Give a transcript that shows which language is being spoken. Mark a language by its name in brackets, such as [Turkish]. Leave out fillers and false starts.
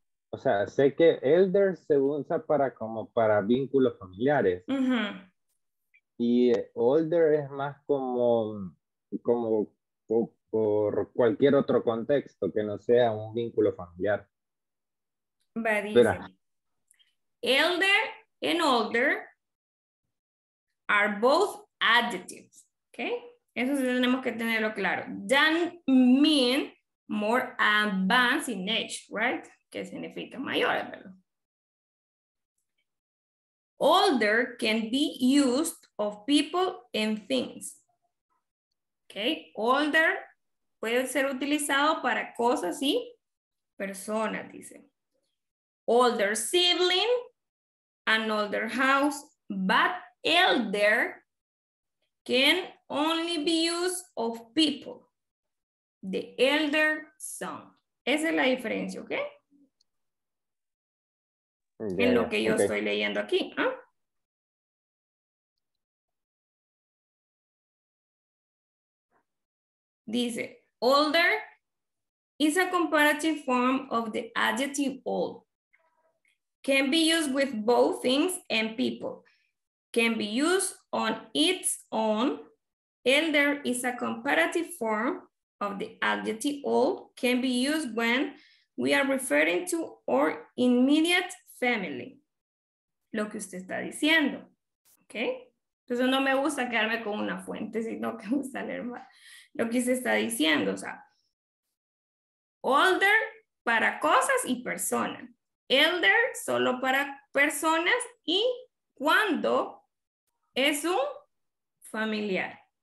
[Spanish] O sea, sé que elder se usa para como para vínculos familiares. Y older es más como, como por cualquier otro contexto que no sea un vínculo familiar. [English] Pero, elder and older are both adjectives, okay? [Spanish] Eso sí tenemos que tenerlo claro. [English] Don't mean more advanced in age, right? [Spanish] Que significa mayor, ¿verdad? [English] Older can be used of people and things, okay? [Spanish] Older puede ser utilizado para cosas y personas, dice. [English] Older sibling, an older house, but elder can only be used of people, the elder son. [Spanish] Esa es la diferencia, ¿ok? Yeah, en lo que yo estoy leyendo aquí. ¿Eh? [English] Dice, older is a comparative form of the adjective old. Can be used with both things and people. Can be used on its own. Elder is a comparative form of the adjective old. Can be used when we are referring to our immediate family. [Spanish] Lo que usted está diciendo. ¿Ok? Entonces no me gusta quedarme con una fuente, sino que me gusta leer más. Lo que usted está diciendo. O sea, older para cosas y personas. Elder solo para personas y cuando es un familiar.